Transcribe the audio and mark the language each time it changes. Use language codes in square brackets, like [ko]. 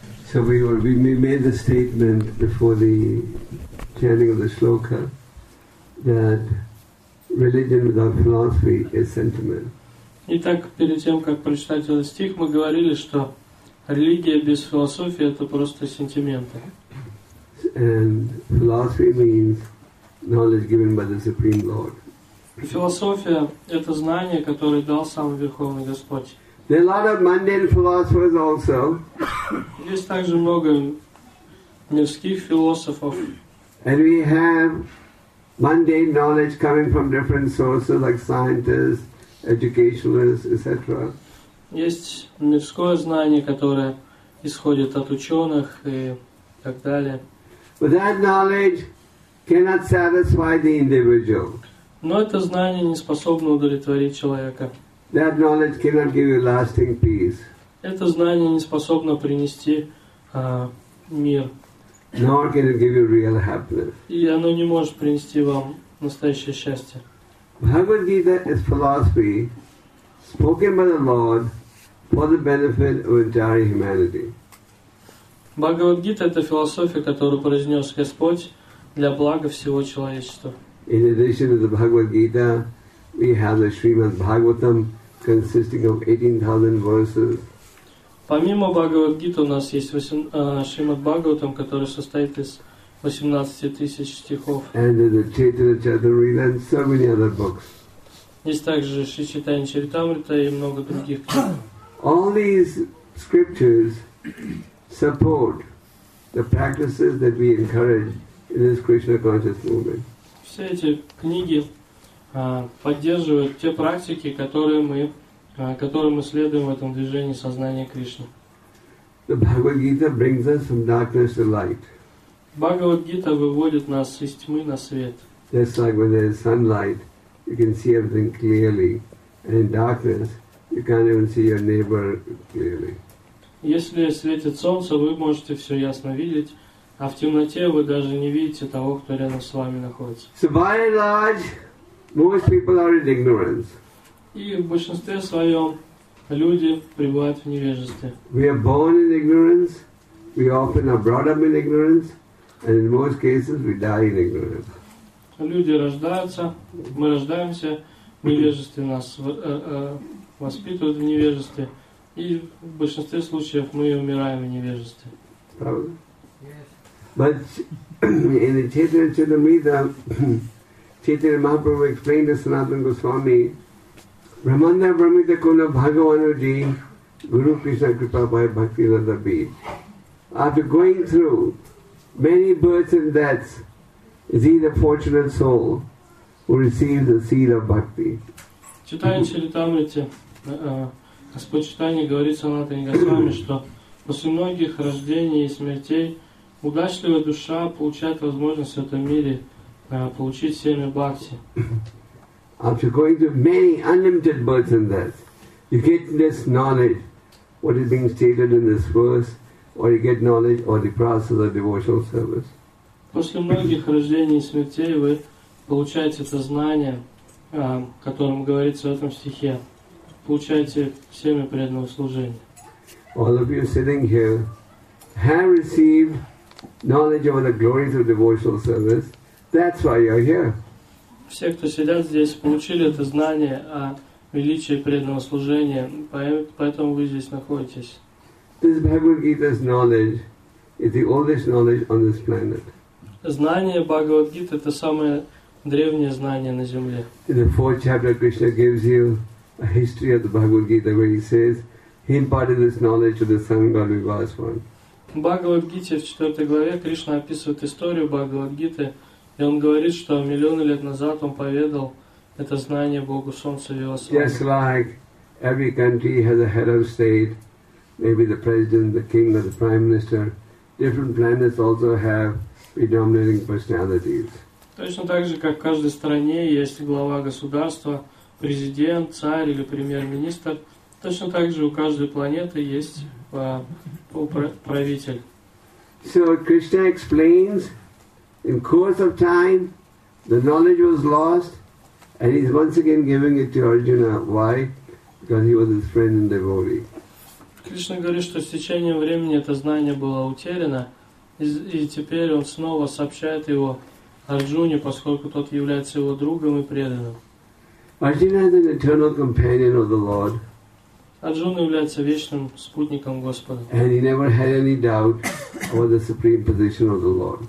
[en] So we made the statement before the chanting of the shloka that religion without philosophy is sentiment. [ru] Итак, перед тем, как прочитать этот стих, мы говорили, что религия без философии – это просто сентименты. [en] And philosophy means knowledge given by the Supreme Lord. [ru] Философия – это знание, которое дал сам Верховный Господь. [en] There are a lot of mundane philosophers also. [ru] Есть также много мирских философов. [en] And we have mundane knowledge coming from different sources, like scientists, educationalists, etc. [ru] Есть мирское знание, которое исходит от ученых и так далее. [en] But that knowledge cannot satisfy the individual. [ru] Но это знание не способно удовлетворить человека. [en] That knowledge cannot give you lasting peace. [ru] Это знание не способно принести мир. [en] Nor can it give you real happiness. [ru] И оно не может принести вам настоящее счастье. [en] Bhagavad Gita is philosophy spoken by the Lord for the benefit of entire humanity. [ru] Bhagavad Gita – это философия, которую произнес Господь для блага всего человечества. [en] In addition to the Bhagavad Gita, we have the Srimad Bhagavatam, consisting of 18,000 verses. [ru] Помимо Бхагавад Гиты у нас есть Шримад Бхагаватам, который состоит из 18,000 стихов. [en] And the Chaitanya Charitamrita and so many other books. [ru] Есть также Шри Чайтанья Чаритамрита и много других книг. [en] All these scriptures support the practices that we encourage in this Krishna conscious movement. [ru] Все эти книги поддерживают те практики, которые мы следуем в этом движении сознания Кришны. [en] The Bhagavad Gita brings us from darkness to light. [ru] Bhagavad Gita выводит нас из тьмы на свет. [en] Just like when there is sunlight, you can see everything clearly, and in darkness, you can't even see your neighbor clearly. [ru] Если светит солнце, вы можете все ясно видеть, а в темноте вы даже не видите того, кто рядом с вами находится. [en] So by and large, most people are in ignorance. [ru] И в большинстве своем люди пребывают в невежестве. [en] We are born in ignorance, we often are brought up in ignorance, and in most cases we die in ignorance. [ru] Люди рождаются, мы рождаемся в невежестве, нас воспитывают в невежестве, и в большинстве случаев мы умираем в невежестве. Правда? [en] Yes. But in the Chaitanya Chaitanya Mahaprabhu explained to Sanatana Goswami, Ramanda Brahmita Kuna Bhagavan Ji, Guru Krishna Kripa Bhai Bhakti Radha Beach. After going through many births and deaths, is he the fortunate soul who receives the seed of bhakti? [ru] Читая Чаритамрите, Господь Читание говорит Санатане Госвами, что после многих рождений и смертей удачливая душа получает возможность в этом мире получить семя бхакти. [en] After going through many unlimited births and deaths, you get this knowledge, what is being stated in this verse, or you get knowledge or the process of devotional service. [ru] После многих рождений и смертей вы получаете это знание, которым говорится в этом стихе, получаете семя преданного служения. [en] All of you sitting here have received knowledge over the glories of devotional service. That's why you're here. [ru] Все, кто сидят здесь, получили это знание о величии преданного служения, поэтому вы здесь находитесь. [en] This Bhagavad Gita's knowledge is the oldest knowledge on this planet. [ru] Знание Бхагавад Гиты — это самое древнее знание на Земле. [en] In the fourth chapter, Krishna gives you a history of the Bhagavad Gita, where he says he imparted this knowledge to the Sangha Vivasvan. [ru] В Бхагавад Гите в 4 главе Кришна описывает историю Бхагавад Гиты, и он говорит, что миллионы лет назад он поведал это знание Богу Солнцу Вивасвану. [en] Just like every country has a head of state, maybe the president, the king, or the prime minister, different planets also have predominating personalities. [ru] Точно так же, как в каждой стране есть глава государства, президент, царь или премьер-министр, точно так же у каждой планеты есть правитель. [en] So Krishna explains, in course of time, the knowledge was lost, and he's once again giving it to Arjuna. Why? Because he was his friend and devotee. [ru] Кришна говорит, что с течением времени это знание было утеряно, и теперь он снова сообщает его Арджуне, поскольку тот является его другом и преданным. [en] Arjuna is an eternal companion of the Lord. [ru] Арджуна является вечным спутником Господа. [en] And he never had any doubt about the supreme position of the Lord.